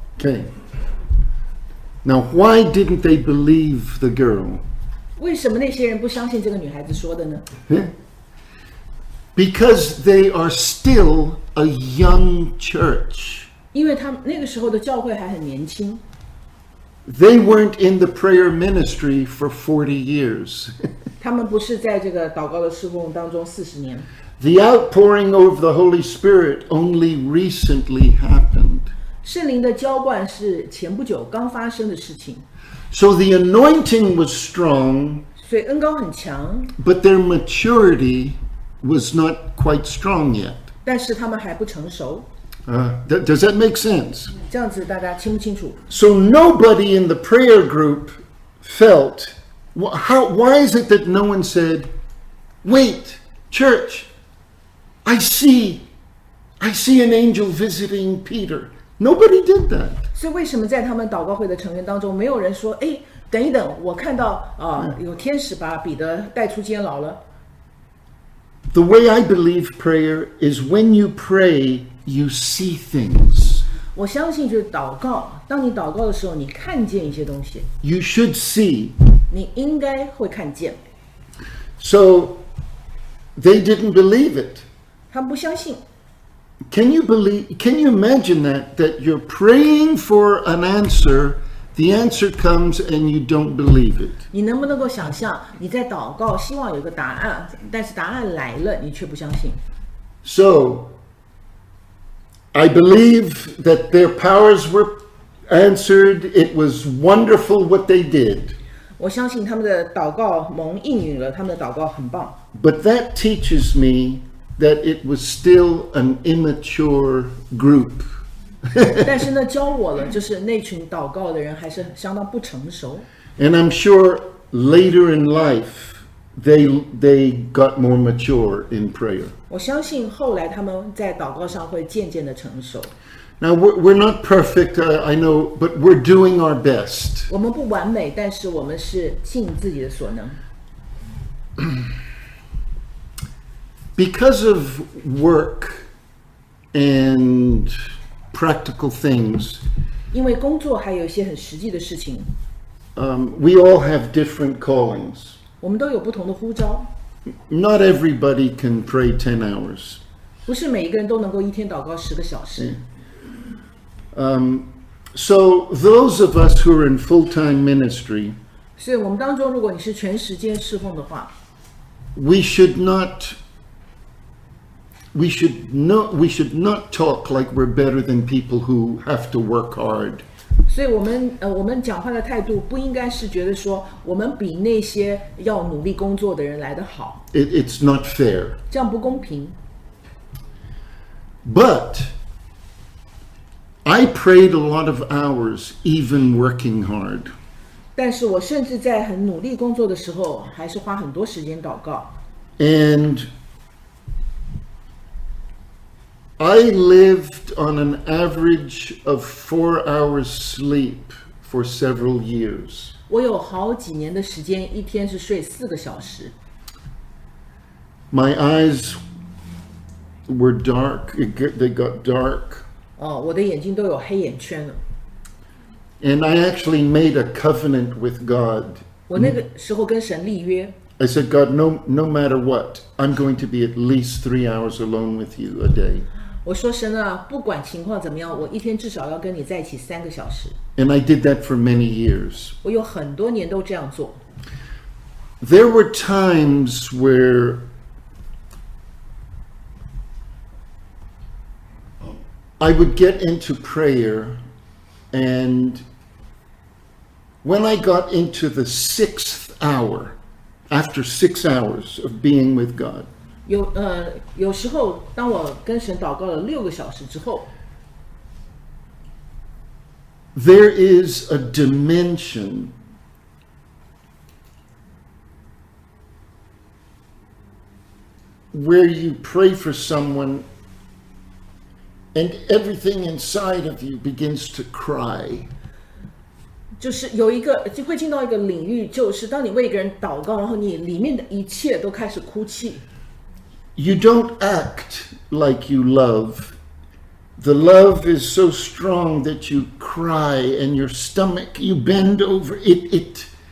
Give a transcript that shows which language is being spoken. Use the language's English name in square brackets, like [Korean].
[English] Okay. Now, why didn't they believe the girl? [Chinese] 为什么那些人不相信这个女孩子说的呢？ [English] Because they are still a young church. [Chinese] 因为他那个时候的教会还很年轻。 [English] They weren't in the prayer ministry for 40 years. [Chinese] 他们不是在这个祷告的侍奉当中40年。 [English] The outpouring of the Holy Spirit only recently happened. [Chinese] 圣灵的浇灌是前不久刚发生的事情。 [English] So the anointing was strong. [Chinese] 所以恩膏很强。 [English] But their maturity was not quite strong yet. [Chinese] 但是他们还不成熟。 [English] Does that make sense? [Chinese] 这样子大家清不清楚? [English] So nobody in the prayer group felt, why is it that no one said, wait, church, I see an angel visiting Peter. Nobody did that. [Chinese] 所以为什么在他们祷告会的成员当中没有人说, 哎,等一等,我看到有天使把彼得带出监牢了。 [English] The way I believe prayer is when you pray,You see things. [Chinese] 我相信就是祷告。当你祷告的时候，你看见一些东西。 [English] You should see. [Chinese] 你应该会看见。 [English] So, they didn't believe it. [Chinese] 他们不相信。 [English] Can you imagine that? That you're praying for an answer, the answer comes and you don't believe it. [Chinese] 你能不能够想象你在祷告，希望有个答案，但是答案来了，你却不相信。 [English] So. I believe that their powers were answered. It was wonderful what they did. [Chinese] 我相信他们的祷告蒙应允了，他们的祷告很棒。 [English] But that teaches me that it was still an immature group. [Chinese] 但是那教我了，就是那群祷告的人还是相当不成熟。 [English] And I'm sure later in life, they got more mature in prayer. [Chinese] 我相信后来他们在祷告上会渐渐的成熟。 [English] Now we're not perfect, I know, but we're doing our best. [Chinese] 我们不完美，但是我们是尽自己的所能。 [English] Because of work and practical things, [Chinese] 因为工作还有一些很实际的事情。 [English] We all have different callings. [Chinese] 我们都有不同的呼召。 [English] Not everybody can pray 10 hours. [Chinese] 不是每一个人都能够一天祷告十个小时。 [English] So those of us who are in full-time ministry, [Chinese] 所以我们当中如果你是全时间侍奉的话, [English] we should not talk like we're better than people who have to work hard. [Chinese] 所以我们讲话的态度不应该是觉得说我们比那些要努力工作的人来得好。 [English] It's not fair. [Chinese] 这样不公平。 [English] But I prayed a lot of hours, even working hard. [Chinese] 但是我甚至在很努力工作的时候，还是花很多时间祷告。 [English] And I lived on an average of 4 hours sleep for several years. [Chinese] 我有好几年的时间，一天是睡四个小时。 [English] My eyes were dark; they got dark. [Chinese] 哦，我的眼睛都有黑眼圈了。 [English] And I actually made a covenant with God. [Chinese] 我那个时候跟神立约。 [English] I said, God, no matter what, I'm going to be at least 3 hours alone with you a day. [Chinese] 我说神啊，不管情况怎么样，我一天至少要跟你在一起三个小时。 [English] And I did that for many years. [Chinese] 我有很多年都这样做。 [English] There were times where I would get into prayer, and when I got into the sixth hour, after 6 hours of being with God. [Chinese] 有时候当我跟神祷告了六个小时之后 [English] There is a dimension where you pray for someone and everything inside of you begins to cry. [Chinese] 就是有一个就会进到一个领域，就是当你为一个人祷告，然后你里面的一切都开始哭泣。 [English] You don't act like you love. The love is so strong that you cry and your stomach, you bend over it.